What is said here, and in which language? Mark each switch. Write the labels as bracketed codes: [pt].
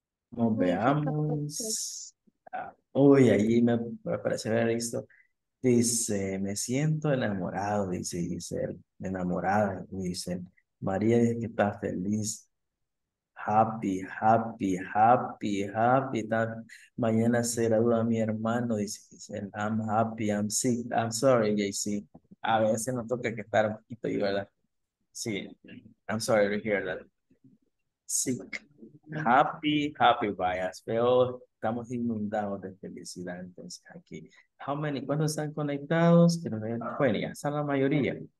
[es] Nos veamos. Uy, ahí me parece haber visto. Dice, me siento enamorado, dice él. Enamorada, dice. María dice que está feliz. [en] Happy, happy, happy, happy. [es] Mañana se gradúa mi hermano, dice. [en] I'm happy, I'm sick, I'm sorry, JC. [es] A veces nos toca que estar un poquito ahí, ¿verdad? Sí, [en] I'm sorry to hear that. Sick, happy, happy bias. [es] Pero estamos inundados de felicidad, entonces aquí. [en] How many? [es] ¿Cuántos están conectados? Que nos vean 20, ya están la mayoría.